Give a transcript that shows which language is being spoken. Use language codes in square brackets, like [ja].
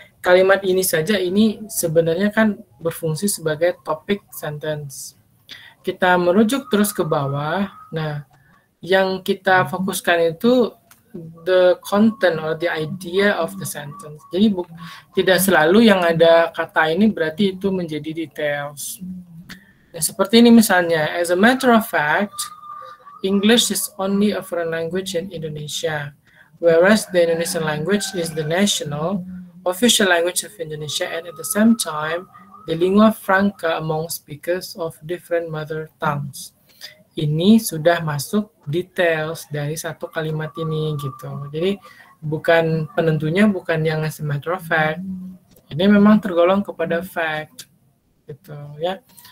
[id] Kalimat ini saja, ini sebenarnya kan berfungsi sebagai topic sentence. Kita merujuk terus ke bawah. Nah, yang kita fokuskan itu the content or the idea of the sentence. Jadi tidak selalu yang ada kata ini berarti itu menjadi details. [en] Nah, seperti ini misalnya, as a matter of fact, English is only a foreign language in Indonesia, whereas the Indonesian language is the national official language of Indonesia, and at the same time, the lingua franca among speakers of different mother tongues. [id] Ini sudah masuk details dari satu kalimat ini gitu. Jadi bukan penentunya bukan yang as a matter of fact. Ini memang tergolong kepada fact gitu ya.